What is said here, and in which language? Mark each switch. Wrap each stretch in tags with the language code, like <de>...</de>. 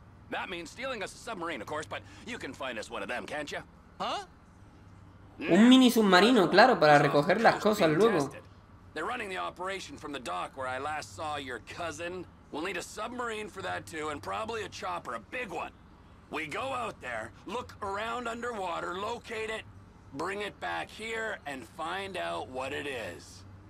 <en>That means stealing us a submarine, of course, but you can find us one of them, can't you? Huh?</en> <es>Un mini submarino, claro, para recoger las cosas luego.</es> <en>They're running the operation from the dock where I last saw your cousin. We'll need a submarine for that too, and probably a chopper, a big one. We go out there, look around underwater, locate it, bring it back here, and find out what it is.</en>